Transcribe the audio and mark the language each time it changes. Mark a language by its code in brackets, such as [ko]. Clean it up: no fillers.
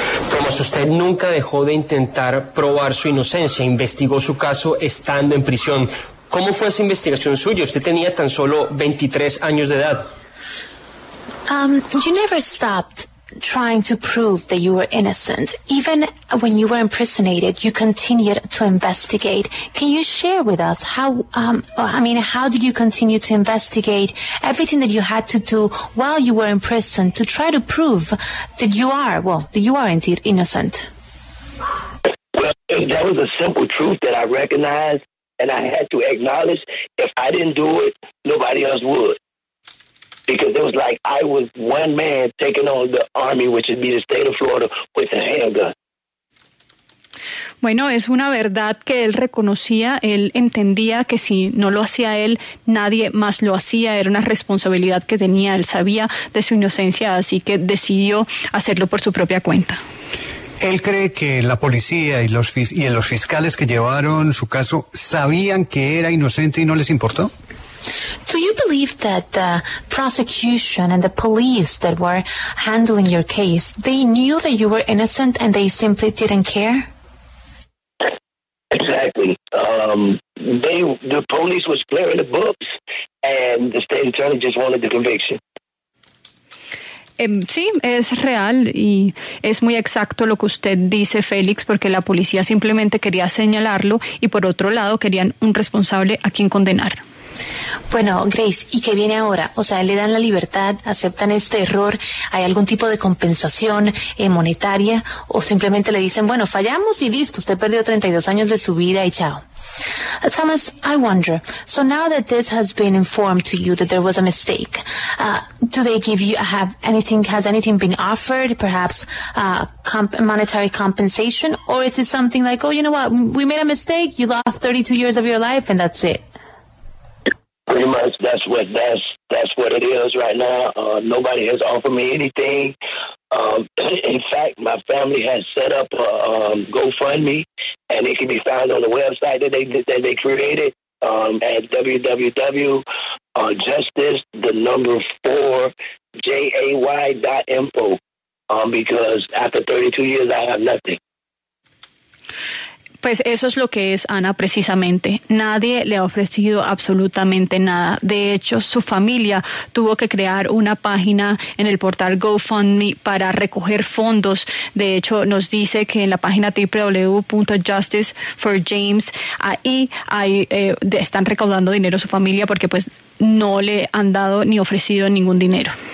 [es] Thomas, usted nunca dejó de intentar probar su inocencia, investigó su caso estando en prisión. ¿Cómo fue esa investigación suya? Usted tenía tan solo 23 años de edad. [en] You never stopped trying to prove that you were innocent. Even when you were impersonated, you continued to investigate. Can you share with us how did you continue to investigate everything that you had to do while you were in prison to try to prove that you are, well, that you are indeed innocent? Well, that was a simple truth that I recognized. And I had to acknowledge, if I didn't do it, nobody else would. Because it was like I was one man taking on the army, which would be the state of Florida, with a handgun. [es] Bueno, es una verdad que él reconocía, él entendía que si no lo hacía él, nadie más lo hacía, era una responsabilidad que tenía, él sabía de su inocencia, así que decidió hacerlo por su propia cuenta. ¿Él cree que la policía y los fiscales que llevaron su caso sabían que era inocente y no les importó? [en] Do you believe that the prosecution and the police that were handling your case, they knew that you were innocent and they simply didn't care? Exactly. The police was clearing the books and the state attorney just wanted the conviction. [es] Sí, es real y es muy exacto lo que usted dice, Félix, porque la policía simplemente quería señalarlo y por otro lado querían un responsable a quien condenar. Bueno, Grace, ¿y qué viene ahora? O sea, ¿le dan la libertad? ¿Aceptan este error? ¿Hay algún tipo de compensación monetaria? ¿O simplemente le dicen, bueno, fallamos y listo, usted perdió 32 años de su vida y chao? [en] Thomas, I wonder, so now that this has been informed to you that there was a mistake, do they give you, has anything been offered, perhaps monetary compensation, or is it something like, oh, you know what, we made a mistake, you lost 32 years of your life, and that's it? Pretty much, that's what it is right now. Nobody has offered me anything. In fact, my family has set up a GoFundMe, and it can be found on the website that they created at www.justice4jay.info. Because after 32 years, I have nothing. [es] Pues eso es lo que es, Ana, precisamente. Nadie le ha ofrecido absolutamente nada. De hecho, su familia tuvo que crear una página en el portal GoFundMe para recoger fondos. De hecho, nos dice que en la página www.justiceforjames, ahí están recaudando dinero su familia porque pues no le han dado ni ofrecido ningún dinero.